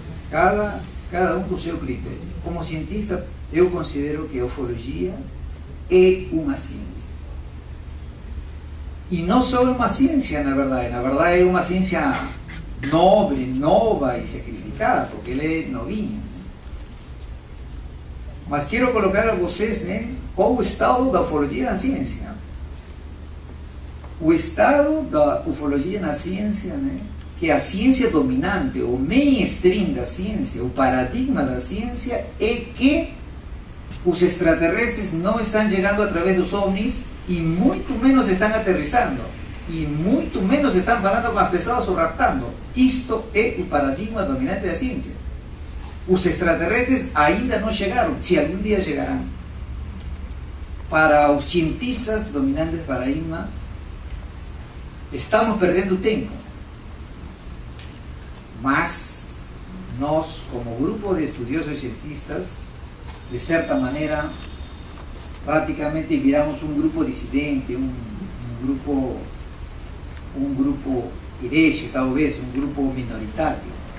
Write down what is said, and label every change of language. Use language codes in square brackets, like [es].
[es] Cada uno con su criterio. Como cientista, yo considero que la ufología es una ciencia. Y no solo una ciencia, en la verdad es una ciencia noble, nova y sacrificada, porque él es novinho. [pt] Mas quiero colocar a vocês, né, qual o estado da ufologia na ciência. O estado da ufologia na ciência, né, que a ciência dominante, o mainstream da ciência, o paradigma da ciência, é que os extraterrestres não estão chegando através dos ovnis e muito menos estão aterrissando. E muito menos estão falando com as pessoas ou raptando. Isto é o paradigma dominante da ciência. [es] Los extraterrestres ainda no llegaron, si algún día llegarán. Para los cientistas dominantes paradigma, estamos perdiendo tiempo. Mas, nos, como grupo de estudiosos y cientistas, de cierta manera, prácticamente viramos un grupo disidente, un grupo hereje, tal vez, un grupo minoritario.